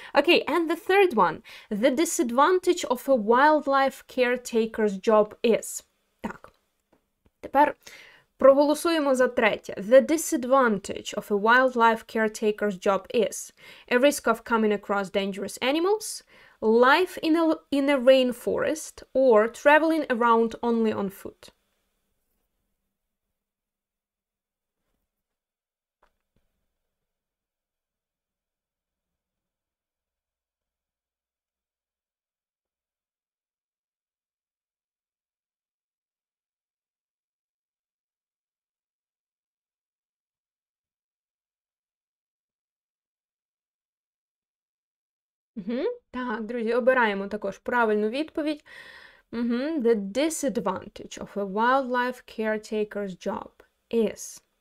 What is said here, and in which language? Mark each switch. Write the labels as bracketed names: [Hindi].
[English] Okay, and the third one, the disadvantage of a wildlife caretaker's job is. [Ukrainian] Так, тепер проголосуємо за третє. [English] The disadvantage of a wildlife caretaker's job is a risk of coming across dangerous animals, life in a rainforest, or traveling around only on foot. [Ukrainian] Так, друзі, обираємо також правильну відповідь. [English] The disadvantage of a wildlife caretaker's job is...